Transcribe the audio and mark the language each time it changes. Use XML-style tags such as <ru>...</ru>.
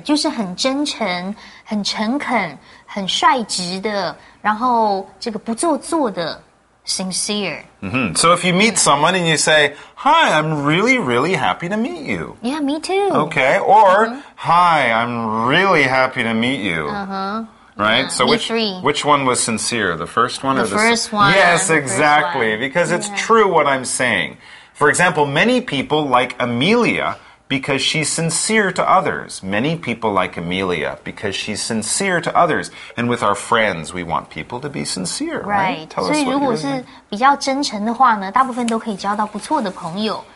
<zh>就是很真诚、很诚恳、很率直的、然后这个不做作的。</zh> <en>Sincere.、 Mm-hmm. So if you meet someone and you say, Hi, I'm really, really happy to meet you. Yeah, me too. Okay, or、uh-huh. Hi, I'm really happy to meet you. Uh-huh. Right? so which one was sincere? The first one the or the first one? Yes, exactly. Because it's、 yeah. true what I'm saying. For example, many people like Amelia because she's sincere to others. Many people like Amelia because she's sincere to others. And with our friends, we want people to be sincere, right? Tell us what you're doing.</en> <zh>所以如果是比较真诚的话呢，大部分都可以交到不错的朋友。</zh>